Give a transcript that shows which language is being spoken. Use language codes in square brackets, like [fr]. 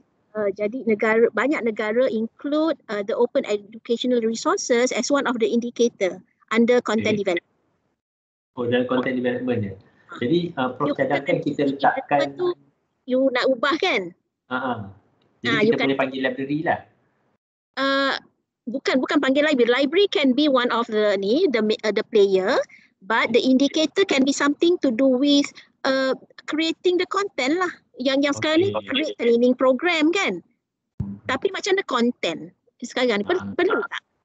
[ms] Jadi banyak negara [en] include the open educational resources as one of the indicator under content development. [ms] Oh, dalam content development ya. Jadi Prof cadangkan kita letakkan tu, you nak ubah kan? Kita boleh panggil library lah. Bukan panggil library. [en] Library can be one of the player, but the indicator can be something to do with creating the content lah. [ms] Yang sekarang ni [en] create training program [ms] kan. Tapi macam mana content sekarang ni perlu tak?